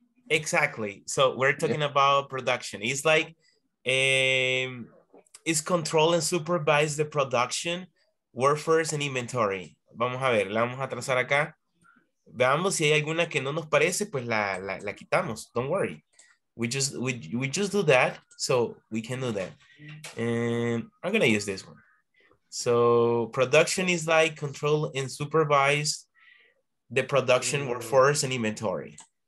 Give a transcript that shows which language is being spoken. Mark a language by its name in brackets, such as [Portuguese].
[English] Exactly. So we're talking about production. It's like, it's control and supervise the production, workforce and inventory. [Spanish] Vamos a ver, la vamos a trazar acá. Veamos si hay alguna que no nos parece, pues la quitamos. [English] Don't worry. We just do that, so we can do that. And I'm going to use this one. So production is like control and supervise the production workforce and inventory.